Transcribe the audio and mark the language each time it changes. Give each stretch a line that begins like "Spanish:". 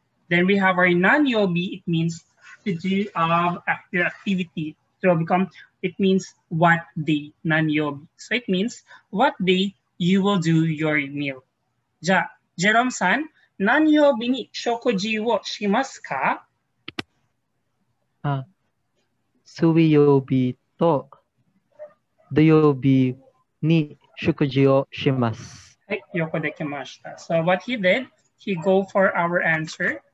English: Then we have our nanyobi, it means to do of activity. So become, it means what day, nanyobi. So it means what day you will do your meal.
Japanese: じゃあ、ジェロムさん、何曜日に食事をしますか？あ、水曜日と土曜日に食事をします。はい、よくできました。
English: So what he did, he go for our answer.